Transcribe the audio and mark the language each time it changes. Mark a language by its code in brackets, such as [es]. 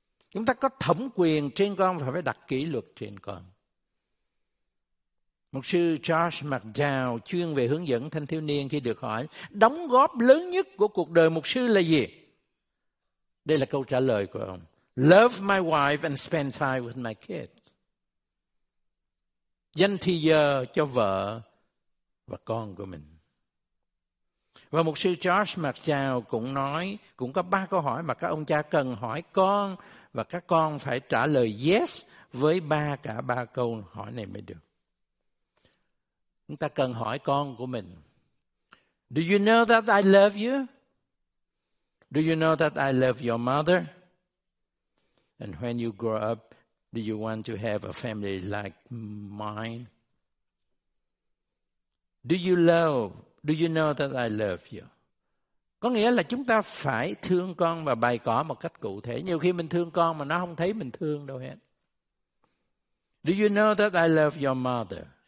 [vi] Chúng ta có thẩm quyền trên con và phải đặt kỷ luật trên con. Mục sư Josh McDowell chuyên về hướng dẫn thanh thiếu niên khi được hỏi, đóng góp lớn nhất của cuộc đời mục sư là gì? Đây là câu trả lời của ông. [en] Love my wife and spend time with my kids. [vi] Dành thời giờ cho vợ và con của mình. Và mục sư Josh McDowell cũng nói, cũng có ba câu hỏi mà các ông cha cần hỏi con, và các con phải trả lời yes với ba cả ba câu hỏi này mới được. Chúng ta cần hỏi con của mình. [en] Do you know that I love you? Do you know that I love your mother? And when you grow up, do you want to have a family like mine? Do you love? Do you know that I love you? [vi] Có nghĩa là chúng ta phải thương con và bày tỏ một cách cụ thể. Nhiều khi mình thương con mà nó không thấy mình thương đâu hết. [en] Do you know that I love your mother?